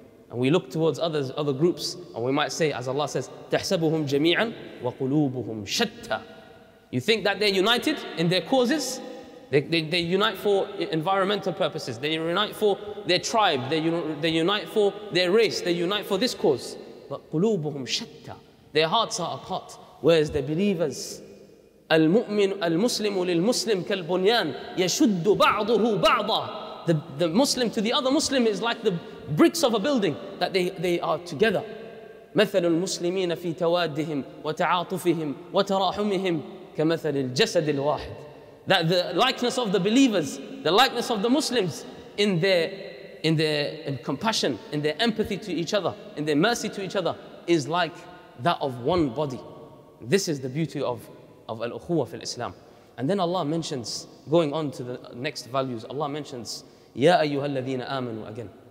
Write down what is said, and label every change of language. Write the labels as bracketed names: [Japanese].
[English] And we look towards others, other groups, and we might say, as Allah says, [Arabic] تَحْسَبُهُمْ جَمِيعًا وَقُلُوبُهُمْ شَتَّى. [English] You think that they're united in their causes? They unite for environmental purposes. They unite for their tribe. They unite for their race. They unite for this cause. But [Arabic] قُلُوبُهُمْ شَتَّى. [English] Their hearts are apart. Whereas the believers, [Arabic] المؤمن المسلم للمسلم كالبنيان يشد بعضه بعضا. [English] The Muslim to the other Muslim is like the bricks of a building, that they are together. [Arabic] مثل المسلمين في توادهم وتعاطفهم وتراحمهم كمثل الجسد الواحد. [English] That the likeness of the believers, the likeness of the Muslims in their compassion, in their empathy to each other, in their mercy to each other, is like that of one body. This is the beauty of al-ukhuwa fi al-Islam. And then Allah mentions, going on to the next values, Allah mentions, [Arabic] يَا أَيُّهَا الَّذِينَ آمَنُوا [English] again.